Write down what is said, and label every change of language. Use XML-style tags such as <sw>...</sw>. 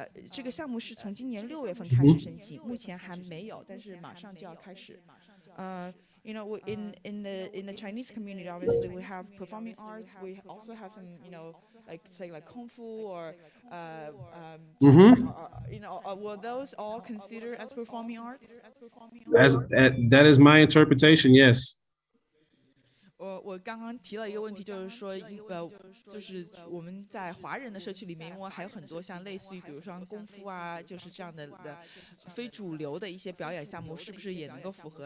<zh>这个项目是从今年6月份开始申请，目前还没有，但是马上就要开始。</zh> <en>You know, in the Chinese community, obviously we have performing arts. We also have some, you know, like say like kung fu or, were those all considered as performing arts? That is my interpretation. Yes.</en> <zh>我刚刚提了一个问题，就是说，就是我们在华人的社区里面，因为还有很多像类似于，比如说功夫啊，就是这样的非主流的一些表演项目，是不是也能够符合？</zh>